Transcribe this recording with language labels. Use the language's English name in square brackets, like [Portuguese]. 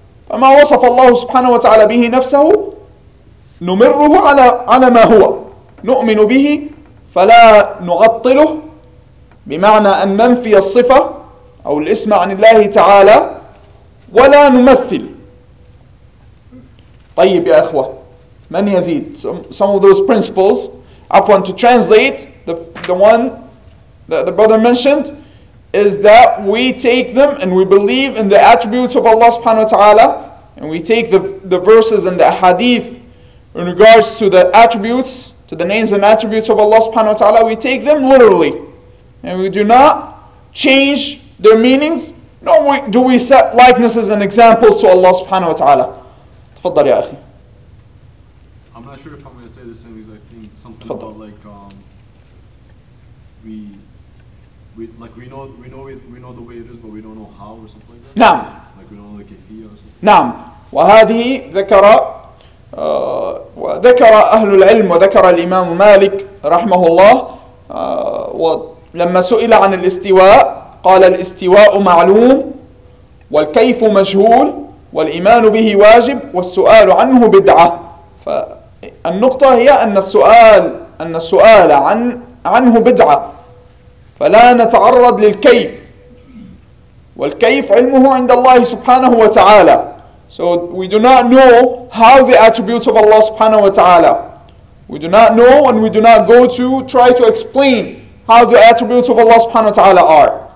[Arabic] فما وصف الله سبحانه وتعالى به نفسه نمره على ما هو، نؤمن به فلا نعطله، بمعنى أن ننفي الصفة أو الاسم عن الله تعالى ولا نمثل. طيب يا أخوة، من يزيد؟ [English] Some of those principles. Upon to translate, the one that the brother mentioned is that we take them and we believe in the attributes of Allah subhanahu wa ta'ala, and we take the verses and the hadith in regards to the attributes, to the names and attributes of Allah subhanahu wa ta'ala, we take them literally. And we do not change their meanings, nor do we set likenesses and examples to Allah subhanahu wa ta'ala. [Arabic] تفضل يا أخي. [English] I'm not sure if I'm going to say the same exact thing. Something about like we know the way it is, but we don't know how or something like that. [Arabic] نعم. [English] Like we don't know the كيفية or something. [Arabic] نعم. وهذه ذكر وذكر أهل العلم وذكر الإمام مالك رحمه الله ولما سئل عن الاستواء قال الاستواء معلوم والكيف مجهول والإيمان به واجب والسؤال عنه بدعة. فالنقطة هي أن السؤال عنه بدعة، فلا نتعرض للكيف، والكيف علمه عند الله سبحانه وتعالى. [English] So we do not know how the attributes of Allah subhanahu wa ta'ala. We do not know and we do not go to try to explain how the attributes of Allah subhanahu wa ta'ala are.